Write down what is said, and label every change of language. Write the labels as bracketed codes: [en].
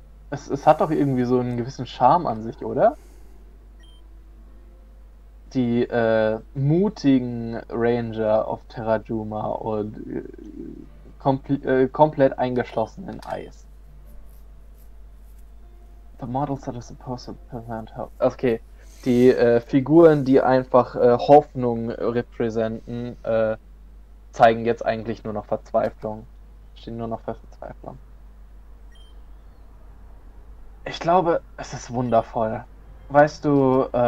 [de] Es hat doch irgendwie so einen gewissen Charme an sich, oder? Die mutigen Ranger auf Terrajuma und komplett eingeschlossen in Eis. [en] The models that are supposed to present hope. [de] Okay, die Figuren, die einfach Hoffnung repräsenten, zeigen jetzt eigentlich nur noch Verzweiflung. Stehen nur noch für Verzweiflung. Ich glaube, es ist wundervoll. Weißt du,